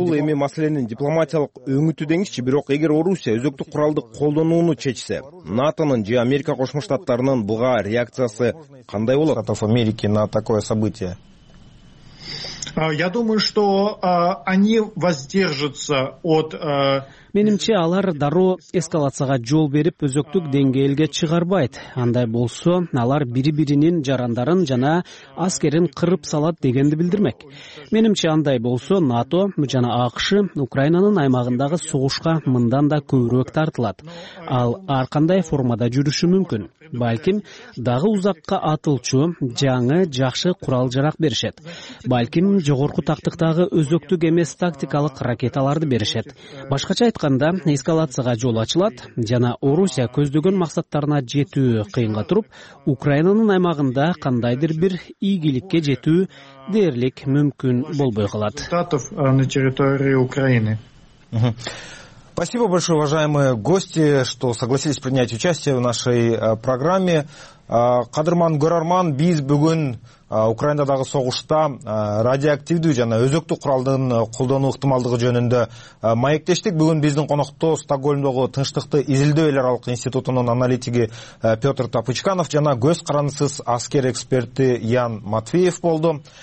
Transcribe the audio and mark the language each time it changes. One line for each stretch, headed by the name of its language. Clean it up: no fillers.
Kyrgyz: Бул эми маселенин дипломатиялык өңүтү деңизчи, бирок эгер Орусия өзөктүк куралды колдонууну чечсе, НАТОнун же Америка Кошмо Штаттарынын буга реакциясы кандай болот?
Russian: Штатов Америки на такое событие. Я думаю, что они воздержатся от...
Kyrgyz: Менимче, алар дароо эскалацияга жол берип, өзөктүк деңгээлге чыгарбайт. Андай болсо, алар бири-биринин жарандарын жана аскерин кырып салат дегенди билдирмек. Менимче, андай болсо, НАТО жана АКШ Украинанын аймагындагы согушка мындан да көбүрөөк тартылат. Ал ар кандай формада жүрүшү мүмкүн. Балким, дагы узакка атылчу, жаңы, жакшы курал-жарак беришет. Балким, жогорку тактыктагы өзөктүк эмес тактикалык ракеталарды беришет. Башкача айтканда, эскалацияга жол ачылат жана Орусия көздөгөн максаттарына жетүү кыйынга туруп, Украинанын аймагында кандайдыр бир ийгиликке жетүү дээрлик мүмкүн болбой калат.
Russian: Штатов на территории Украины. Спасибо большое, уважаемые гости, что согласились принять участие в нашей программе.
Kyrgyz: Кадырман Көрөрман, биз бүгүн Украинадагы согушта радиоактивдүү жана өзөктүк куралдын колдонуу ыктымалдыгы жөнүндө маектештик. Бүгүн биздин конокто Стокгольмдогу Тынчтыкты изилдөө эларалык институтунун аналитиги Петр Тапычканов жана көз карандысыз аскер эксперти Ян Матвеев болду.